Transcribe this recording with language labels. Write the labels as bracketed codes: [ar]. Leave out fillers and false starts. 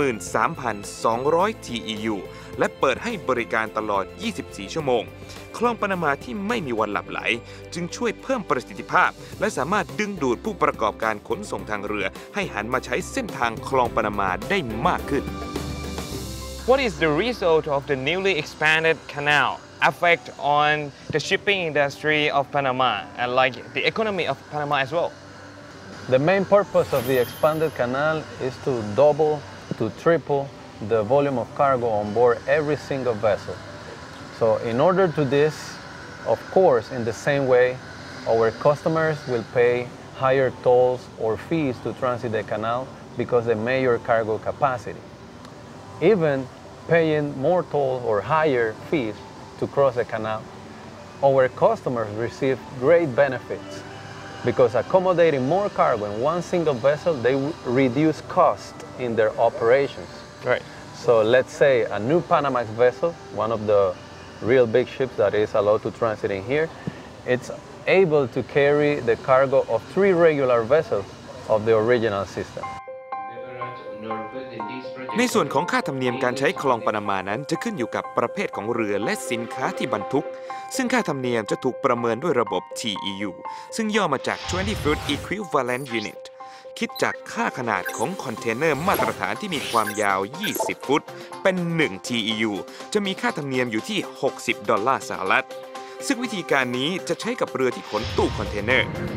[th] 13,200 TEU และเปิดให้บริการตลอด24ชั่วโมงคลองปานามาที่ไม่มีวันหลับไหลจึงช่วยเพิ่มประสิทธิภาพและสามารถดึงดูดผู้ประกอบการขนส่งทางเรือให้หันมาใช้เส้นทางคลองปานามาได้มากขึ้น [en] What is the result of the newly expanded canal? Effect on the shipping industry of Panama and like the economy of Panama as well. The main purpose of the expanded canal is to double to triple the volume of cargo on board every single vessel. So in order to this, of course, in the same way, our customers will pay higher tolls or fees to transit the canal because the major cargo capacity. Even paying more toll or higher fees,to cross the canal, our customers receive great benefits because accommodating more cargo in one single vessel, they reduce cost in their operations. Right. So let's say a new Panamax vessel, one of the real big ships that is allowed to transit in here, it's able to carry the cargo of three regular vessels of the original system. [th] ในส่วนของค่าธรรมเนียมการใช้คลองปานามานั้นจะขึ้นอยู่กับประเภทของเรือและสินค้าที่บรรทุกซึ่งค่าธรรมเนียมจะถูกประเมินด้วยระบบ TEU ซึ่งย่อมาจาก [en] 20 foot equivalent unit [th] คิดจากค่าขนาดของคอนเทนเนอร์มาตรฐานที่มีความยาว20ฟุตเป็น1 TEU จะมีค่าธรรมเนียมอยู่ที่60ดอลลาร์สหรัฐซึ่งวิธีการนี้จะใช้กับเรือที่ขนตู้คอนเทนเนอร์